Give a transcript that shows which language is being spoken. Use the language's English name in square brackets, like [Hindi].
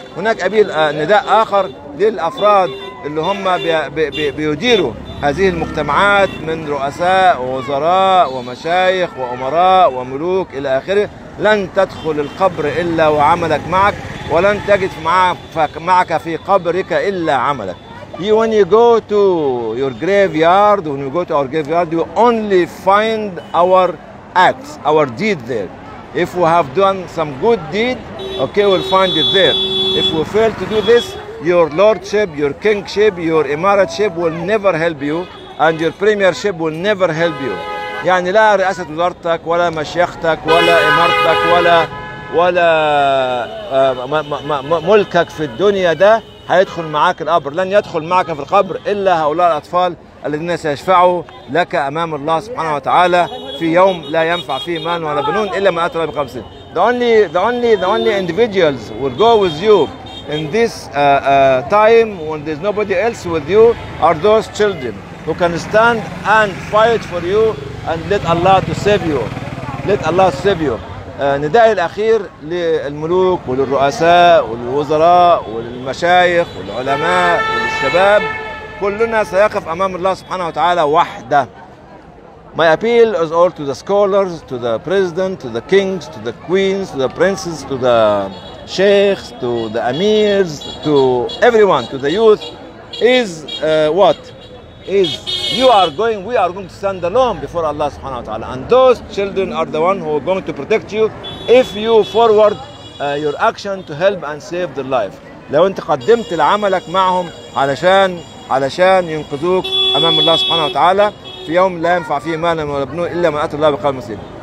[Arabic] هناك ابيل نداء اخر للافراد اللي هم بيديروا هذه المجتمعات من رؤساء ووزراء ومشايخ وامراء وملوك الى اخره. لن تدخل القبر الا وعملك معك، ولن تجد معك في قبرك الا عملك. [English] When you go to your graveyard, when you go to our graveyard, you only find our acts, our deed there. If we have done some good deed, okay, we'll find it there. If we fail to do this, your lordship, your kingship, your emiratship will never help you, and your premiership will never help you. [Arabic] يعني لا رئاسة وزارتك ولا مشيختك ولا إمارتك ولا ملكك في الدنيا ده هيدخل معاك القبر، لن يدخل معك في القبر إلا هؤلاء الأطفال الذين سيشفعوا لك أمام الله سبحانه وتعالى في يوم لا ينفع فيه مال ولا بنون إلا من أتى ربه بقلب سليم. [English] The only individuals will go with you in this time when there's nobody else with you are those children who can stand and fight for you and let Allah to save you. Let Allah save you. [Arabic] نداء الأخير للملوك وللرؤساء والوزراء والمشايخ والعلماء والشباب، كلنا سيقف أمام الله سبحانه وتعالى وحدة. [English] My appeal is all to the scholars, to the president, to the kings, to the queens, to the princes, to the sheikhs, to the emirs, to everyone, to the youth, is what? Is you are going, we are going to stand alone before Allah subhanahu wa ta'ala. And those children are the one who are going to protect you if you forward your action to help and save their life. [Arabic] لو انت قدمت لعملك معهم علشان ينقذوك أمام الله سبحانه وتعالى في يوم لا ينفع فيه مالا ولا بنون إلا من أتى الله بقلب سليم.